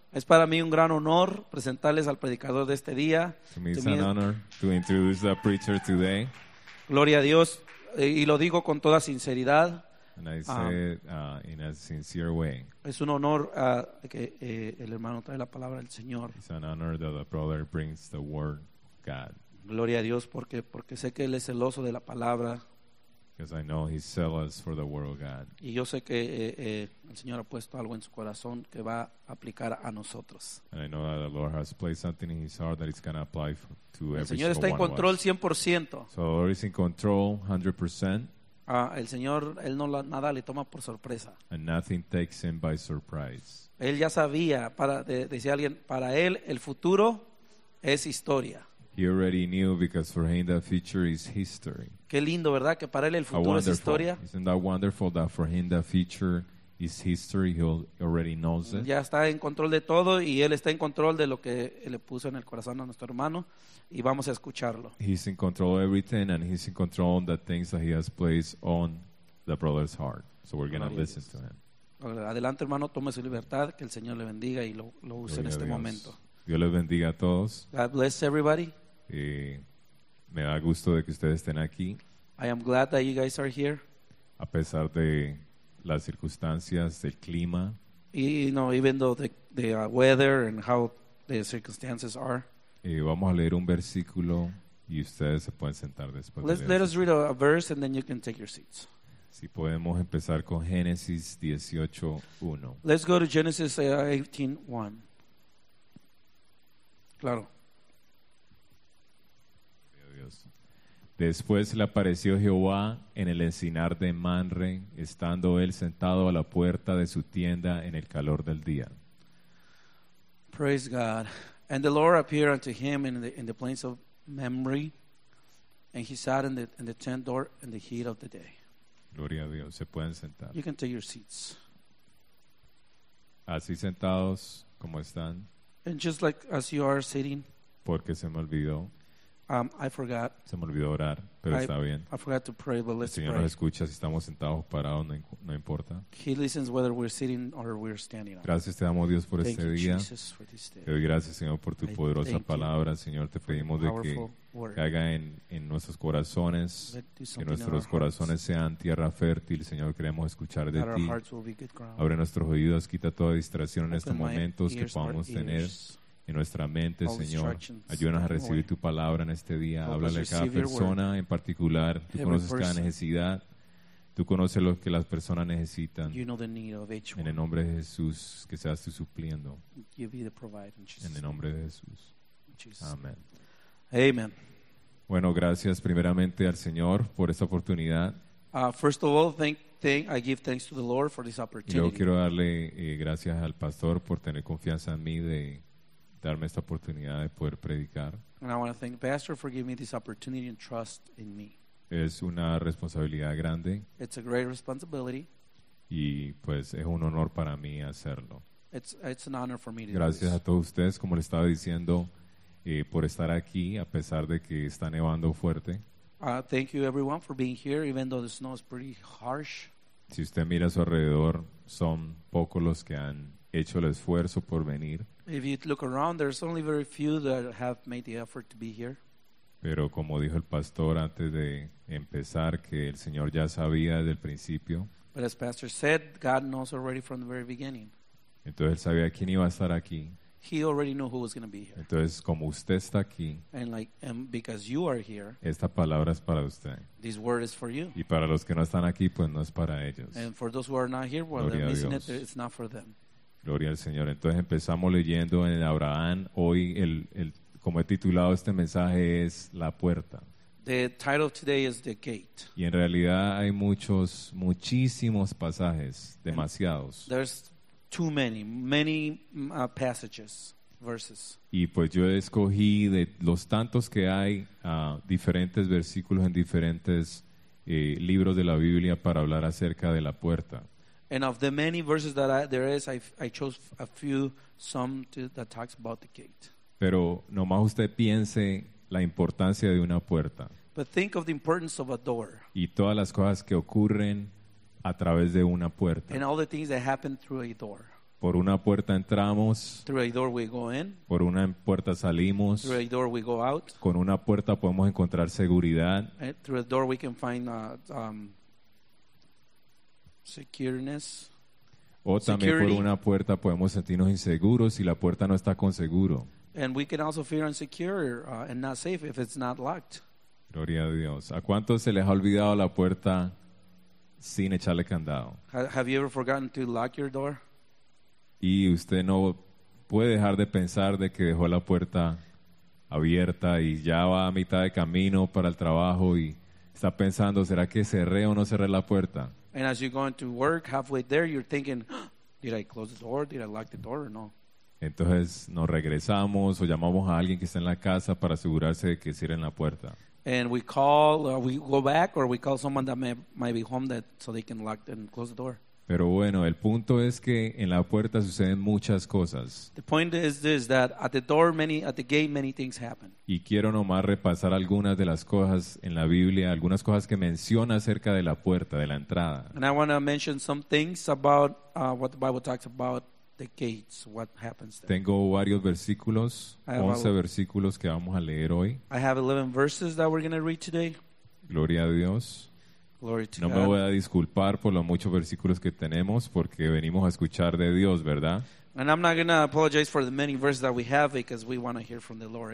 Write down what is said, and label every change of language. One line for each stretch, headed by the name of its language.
Spanish: Es para mí un gran honor presentarles al predicador de este día.
English: To me, it's an honor to introduce the preacher today.
Spanish: Gloria a Dios, y lo digo con toda sinceridad.
English: And I say it in a sincere way.
Spanish: Es un honor que el hermano trae la palabra del Señor.
English: It's an honor that the brother brings the word God.
Spanish: Gloria a Dios, porque sé que él es celoso de la palabra.
English: Because I know he's zealous for the word of God.
Spanish: Y yo sé que el Señor ha puesto algo en su corazón que va a aplicar a nosotros.
English: And I know that the Lord has placed something in his heart that is going to apply to every single one of us.
Spanish: El Señor está en control 100%.
English: So the Lord is in control 100%.
Spanish: El Señor, él no nada le toma por sorpresa.
English: And nothing takes him by surprise.
Spanish: Él ya sabía, decía alguien, para él el futuro es historia.
English: He already knew because for him the future is history.
Spanish: Qué lindo, ¿verdad? Que para él el futuro es historia.
English: Isn't that wonderful that for him the future is history? He already knows it.
Spanish: Ya está en control de todo y él está en control de lo que le puso en el corazón a nuestro hermano y vamos a escucharlo.
English: He's in control of everything and he's in control of the things that he has placed on the brother's heart. So we're going to listen to him.
Spanish: Adelante, hermano, tome su libertad, que el Señor le bendiga y lo use en este momento. Dios les bendiga a todos.
English: God bless everybody.
Spanish: Y me da gusto de que ustedes estén aquí.
English: I am glad that you guys are here.
Spanish: A pesar de las circunstancias, del clima.
English: Y, even though the weather and how the circumstances are.
Spanish: Y vamos a leer un versículo y ustedes se pueden sentar después.
English: Let us read a verse and then you can take your seats.
Spanish: Si podemos empezar con Génesis 18:1.
English: Let's go to Genesis 18:1.
Spanish: Claro. Después le apareció Jehová en el encinar de Manre, estando él sentado a la puerta de su tienda en el calor del día.
English: Praise God. And the Lord appeared unto him in the plains of Mamre, and he sat in the tent door in the heat of the day.
Spanish: Gloria a Dios. Se pueden sentar.
English: You can take your seats.
Spanish: Así sentados, ¿cómo están?
English: And just like as you are sitting,
Spanish: porque se me olvidó.
English: I forgot.
Spanish: Se me olvidó orar, pero está bien.
English: I forgot to pray, but let's pray. El
Spanish: Señor nos escucha si estamos sentados o parados, no importa.
English: He listens whether we're sitting or we're standing.
Spanish: Gracias te damos Dios por este día.
English: Thank you, Jesus, for this day.
Spanish: Te doy gracias Señor por tu poderosa palabra, Señor. Te pedimos de que caiga en nuestros corazones, que nuestros corazones sean tierra fértil, Señor, queremos escuchar de ti. Abre nuestros oídos, quita toda distracción en estos momentos que podamos tener en nuestra mente, Señor. Ayúdanos a recibir tu palabra en este día. Háblale a cada persona en particular. Tú conoces cada necesidad. Tú conoces lo que las personas necesitan. En el nombre de Jesús, que seas tú supliendo. En el nombre de Jesús. Amén.
English: Amen.
Spanish: Bueno, gracias primeramente al Señor por esta oportunidad.
English: First of all, I give thanks to the Lord for this opportunity.
Spanish: Yo quiero darle gracias al pastor por tener confianza en mí de darme esta oportunidad de poder predicar.
English: And I want to thank the pastor for giving me this opportunity and trust in me.
Spanish: Es una responsabilidad grande.
English: It's a great responsibility.
Spanish: Y pues es un honor para mí hacerlo.
English: It's an honor for me to do this.
Spanish: Gracias a todos ustedes, como les estaba diciendo, por estar aquí a pesar de que está nevando fuerte.
English: Thank you everyone for being here even though the snow is pretty harsh.
Spanish: Si usted mira a su alrededor, son pocos los que han hecho el esfuerzo por venir.
English: If you look around, there's only very few that have made the effort to be here.
Spanish: Pero como dijo el pastor antes de empezar, que el Señor ya sabía desde el principio.
English: But as pastor said, God knows already from the very beginning.
Spanish: Entonces él sabía quién iba a estar aquí.
English: He already knew who was going to be here.
Spanish: Entonces, como usted está aquí,
English: and because you are here,
Spanish: esta palabra es para usted.
English: This word is for you.
Spanish: Y para los que no están aquí, pues no es para ellos.
English: And for those who are not here, well, they're missing it, it's not for them.
Spanish: Gloria al Señor. Entonces empezamos leyendo en Abraham. Hoy, como he titulado este mensaje, es La Puerta.
English: The title of today is The Gate.
Spanish: Y en realidad hay muchísimos pasajes, demasiados.
English: Too many passages, verses.
Spanish: Y pues yo escogí de los tantos que hay diferentes versículos en diferentes libros de la Biblia para hablar acerca de la puerta.
English: And of the many verses that I chose a few, some that talks about the gate.
Spanish: Pero nomás usted piense la importancia de una puerta.
English: But think of the importance of a door.
Spanish: Y todas las cosas que ocurren a través de una puerta.
English: And all the things that happen through a door.
Spanish: Por una puerta entramos.
English: Through a door we go in.
Spanish: Por una puerta salimos.
English: Through a door we go out.
Spanish: Con una puerta podemos encontrar seguridad.
English: And through a door we can find secureness.
Spanish: O también security. Por una puerta podemos sentirnos inseguros si la puerta no está con seguro.
English: And we can also feel insecure and not safe if it's not locked.
Spanish: Gloria a Dios. ¿A cuántos se les ha olvidado la puerta sin echarle candado?
English: Have you ever forgotten to lock your door?
Spanish: Y usted no puede dejar de pensar de que dejó la puerta abierta y ya va a mitad de camino para el trabajo y está pensando, ¿será que cerré o no cerré la puerta?
English: And as you're going to work halfway there, you're thinking, did I close the door? Did I lock the door or no?
Spanish: Entonces nos regresamos o llamamos a alguien que está en la casa para asegurarse de que cierren la puerta.
English: And we call, or we go back, or we call someone that might be home that so they can lock and close the door.
Spanish: Pero bueno, el punto es que en la puerta suceden muchas cosas.
English: The point is this, that at the door, at the gate, many things happen.
Spanish: Y quiero nomás repasar algunas de las cosas en la Biblia, algunas cosas que menciona acerca de la puerta, de la entrada.
English: And I want to mention some things about what the Bible talks about the gates, what happens there.
Spanish: Tengo varios versículos, 11 versículos que vamos a leer hoy.
English: I have 11 verses that we're going to read today.
Spanish: Gloria a Dios.
English: Glory to no God.
Spanish: Me voy a disculpar por los muchos versículos que tenemos porque venimos a escuchar de Dios, ¿verdad?
English: And I'm not going to apologize for the many verses that we have because we want to hear from the Lord.